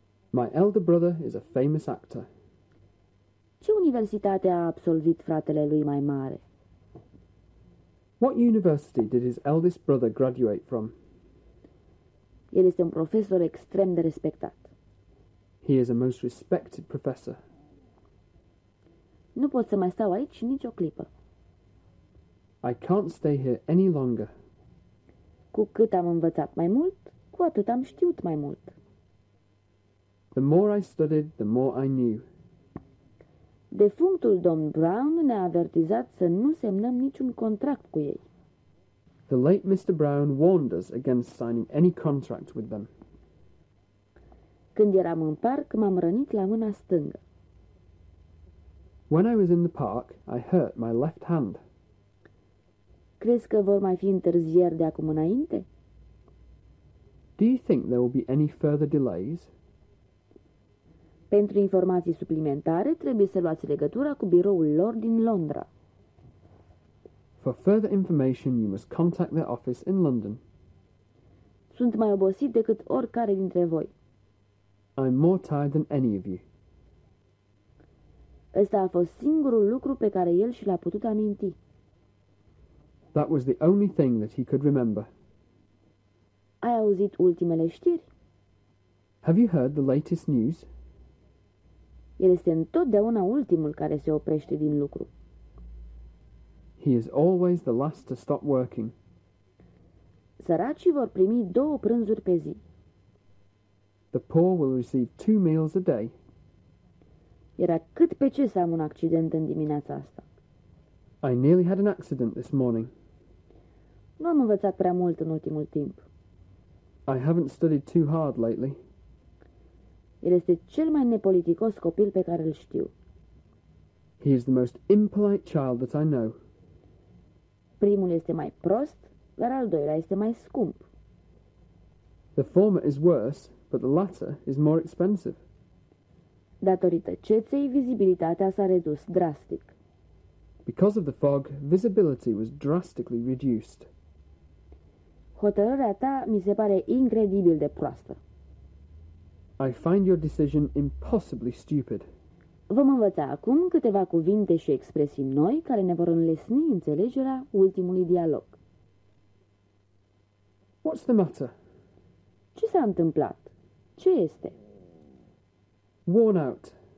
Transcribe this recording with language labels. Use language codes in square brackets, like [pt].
[en] My elder brother is a famous actor. [ro] Ce universitate a absolvit fratele lui mai mare? [en] What university did his eldest brother graduate from? [ro] El este un profesor extrem de respectat. [en] He is a most respected professor. [ro] Nu pot să mai stau aici nici o clipă. [en] I can't stay here any longer. [ro] Cu cât am învățat mai mult, cu atât am știut mai mult. [en] The more I studied, the more I knew. [ro] Defunctul domn Brown ne-a avertizat să nu semnăm niciun contract cu ei. [en] The late Mr. Brown warned us against signing any contract with them. [ro] Când eram în parc, m-am rănit la mâna stângă. [en] When I was in the park, I hurt my left hand. [ro] Crezi că vor mai fi întârzieri de acum înainte? [en] Do you think there will be any further delays? [ro] Pentru informații suplimentare, trebuie să luați legătura cu biroul lor din Londra. [en] For further information, you must contact their office in London. [ro] Sunt mai obosit decât oricare dintre voi. [en] I'm more tired than any of you. [ro] Ăsta a fost singurul lucru pe care el și l-a putut aminti. [en] That was the only thing that he could remember. [ro] Ai auzit ultimele știri? [en] Have you heard the latest news? [ro] El este întotdeauna ultimul care se oprește din lucru. [en] He is always the last to stop working. [ro] Săracii vor primi două prânzuri pe zi. [en] The poor will receive two meals a day. [ro] Era cât pe ce să am un accident în dimineața asta. [en] I nearly had an accident this morning. [ro] Nu am învățat prea mult în ultimul timp. [en] I haven't studied too hard lately. [ro] El este cel mai nepoliticos copil pe care îl știu. [en] He is the most impolite child that I know. [ro] Primul este mai prost, dar al doilea este mai scump. [en] The former is worse, but the latter is more expensive. [ro] Datorită ceței, vizibilitatea s-a redus drastic. [en] Because of the fog, visibility was drastically reduced. [ro] Hotărârea ta mi se pare incredibil de proastă. [en] I find your decision impossibly stupid. [ro] Vom învăța acum câteva cuvinte și expresii noi care ne vor înlesni înțelegerea ultimului dialog. [en] What's the matter? [ro] Ce s-a întâmplat? Ce este? [en] Worn out.